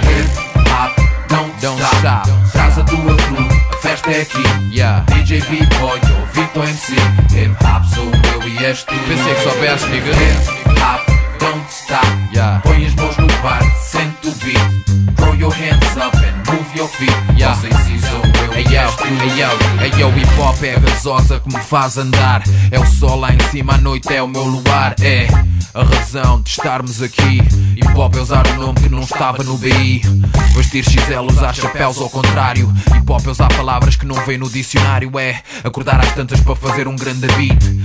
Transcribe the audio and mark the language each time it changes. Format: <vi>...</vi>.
<en>Hip hop, don't stop.</en> <pt>Traz a tua crew, a festa é aqui, yeah. DJ, beatboy, eu Victor MC. Hip hop, sou eu e és tu. Pensei que soubesse, nigga.</pt> <en>Hip hop, don't stop, yeah.</en> <pt>Põe as mãos no bar, sente o beat.</pt> <en>Throw your hands up and move your feet, yeah.</en> <pt>Não sei se sou eu. Ei, o hip hop é a gasosa que me faz andar. É o sol lá em cima, à noite é o meu luar. É a razão de estarmos aqui. Hip hop é usar um nome que não estava no BI. Vestir XL, usar chapéus ao contrário. Hip hop é usar palavras que não vem no dicionário. É acordar às tantas para fazer um grande beat.</pt>